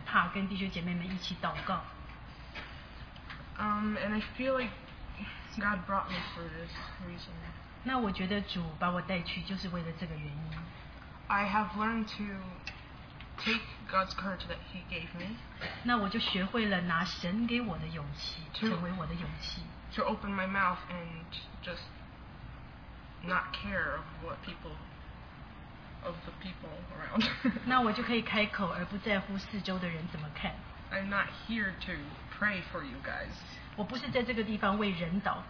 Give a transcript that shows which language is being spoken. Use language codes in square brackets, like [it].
[zh] 那我也相信很多弟兄姐妹他们可能很怕跟弟兄姐妹们一起祷告. [en] And I feel like God brought me for this reason. [zh] 那我觉得主把我带去就是为了这个原因. [en] I have learned to take God's courage that He gave me. [zh] 那我就学会了拿神给我的勇气成为我的勇气. [en] To open my mouth and just not care of the people around. I'm not here to pray for you guys.